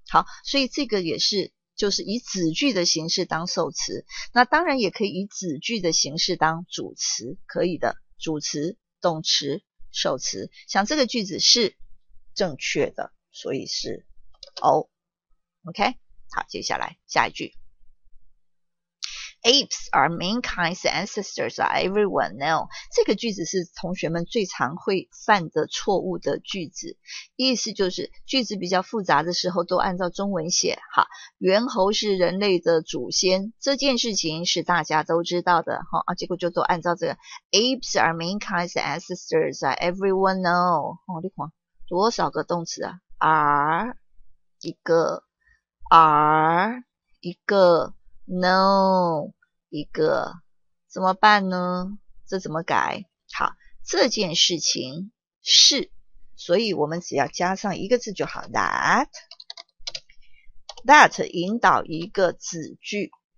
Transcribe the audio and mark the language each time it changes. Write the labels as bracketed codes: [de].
[zh] 好，所以这个也是就是以子句的形式当受词，那当然也可以以子句的形式当主词，可以的，主词动词受词，像这个句子是正确的，所以是 O。 OK， 好，接下来下一句。 [en] Apes are mankind's ancestors, everyone know. [zh] 这个句子是同学们最常会犯的错误的句子。意思就是句子比较复杂的时候都按照中文写。好，猿猴是人类的祖先，这件事情是大家都知道的。好，啊，结果就都按照这个。 [en] Apes are mankind's ancestors, everyone know. [zh] 哦，你看，多少个动词啊？are, 一个。 are 一个 know 一个，怎么办呢？这怎么改？好，这件事情是，所以我们只要加上一个字就好， that 引导一个子句。